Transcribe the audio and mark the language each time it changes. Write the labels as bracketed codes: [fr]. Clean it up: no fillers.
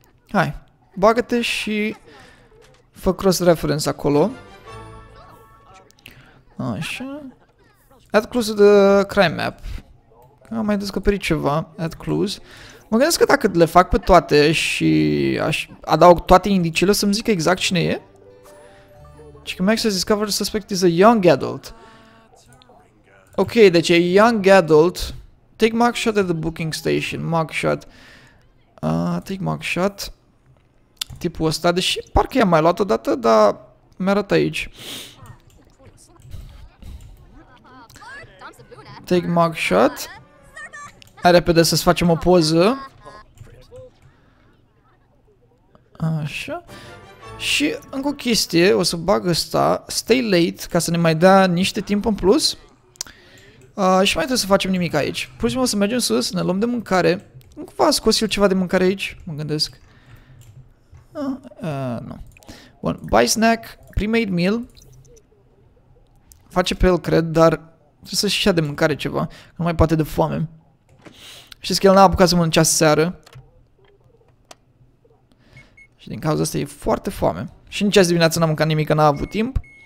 [ro] Hai, bagă-te și fă cross-reference acolo. [en] Așa. Add clues to the crime map. [ro] Am mai descoperit ceva. [en] Add clues. [ro] Mă gândesc că dacă le fac pe toate și aș adaug toate indiciile, să-mi zică exact cine e. [en] Chica Max has discovered suspect is a young adult. Ok, [ro] deci e [en] young adult. Take mugshot at the booking station. Mugshot. Take mugshot. [ro] Tipul ăsta, deși parcă i-am mai luat odată, dar mi-arată aici. [en] Take mugshot. [ro] Hai repede să-ți facem o poză. Așa. Și încă o chestie, o să bag ăsta, [en] stay late, [ro] ca să ne mai dea niște timp în plus. Și mai trebuie să facem nimic aici. Pur și simplu o să mergem sus, ne luăm de mâncare. Încă v-a scos eu ceva de mâncare aici, mă gândesc. Nu. [en] Bun, buy snack, pre-made meal. [ro] Face pe el, cred, dar trebuie să-și ia de mâncare ceva. Nu mai poate de foame. Știți că el n-a apucat să mănânce aseară. Și din cauza asta e foarte foame. Și nici azi dimineață n-a mâncat nimic, că n-a avut timp.